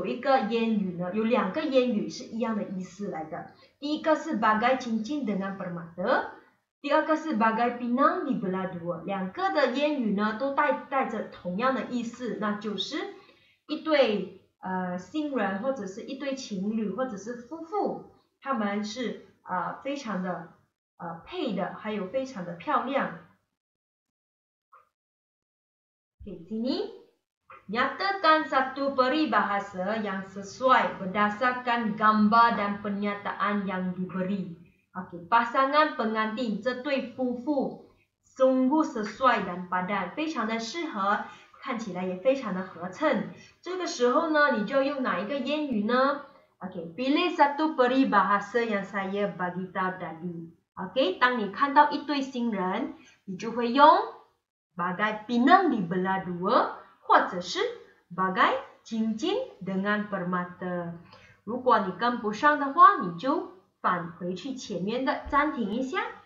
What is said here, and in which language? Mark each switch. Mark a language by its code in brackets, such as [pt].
[zh] 这里有一个谚语呢，有两个谚语是一样的意思来的。第一个是 [ms] bagai cincin dengan permata， [zh] 第二个是 [ms] bagai pinang di belah dua. [zh] 两个的谚语呢都带着同样的意思，那就是一对新人或者是一对情侣或者是夫妇，他们是非常的配的，还有非常的漂亮。Okay, sini. [ms] Nyatakan satu peribahasa yang sesuai berdasarkan gambar dan pernyataan yang diberi. Okay, pasangan pengantin, [zh] 这对夫妇, [ms] sungguh sesuai dan padan, [zh] 非常的适合, 看起来也非常的合衬. 这个时候呢, 你就用哪一个谚语呢? [ms] Okay, pilih satu peribahasa yang saya bagi tahu tadi. [zh] Okay, 当你看到一对新人, 你就会用 [ms] bagai pinang di belah dua, [zh] 或者是 [ms] bagai cincin dengan permata. [zh] 如果你跟不上的话, 你就 返回去前面的暂停一下.